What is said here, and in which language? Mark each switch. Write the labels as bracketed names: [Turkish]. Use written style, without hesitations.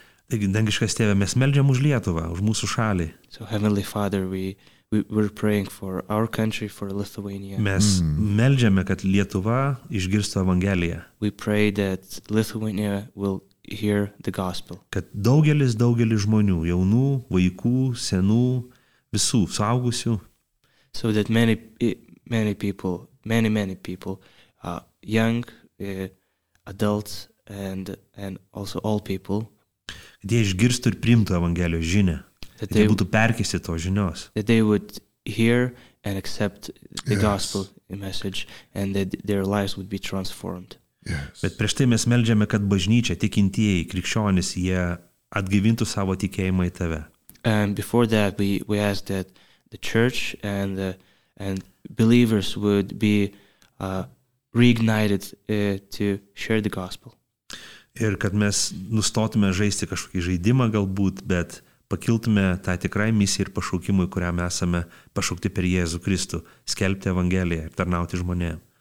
[Lithuanian] Taigi, dangiškas tėve, mes meldžiam už Lietuvą, už mūsų šalį. [English] So Heavenly Father, we're praying for our country, for Lithuania. [Lithuanian] Mes meldžiame, kad Lietuva išgirstų evangeliją. [English] We pray that Lithuania will hear the gospel. [Lithuanian] Kad daugelis žmonių, jaunų, vaikų, senų, visų, suaugusių. [English] So that many people, young, adults and also all people. [Lithuanian] Kad jie išgirstų ir priimtų evangelijos žinę. Kad jie būtų perkisti to žinios. [English] That they would hear and accept the gospel message and that their lives would be transformed. Yes. [Lithuanian] Bet prieš tai mes meldžiame, kad bažnyčia, tikintieji, krikščionis, jie atgyvintų savo tikėjimą į tave. [English] And before that we ask that the church and believers would be reignited to share the gospel. [Lithuanian] Ir kad mes nustotume žaisti kažkokį žaidimą galbūt, bet pakiltume tą tikrai misiją ir pašaukimui, kurią mes esame pašaukti per Jėzų Kristų, skelbti evangeliją ir tarnauti žmonėm.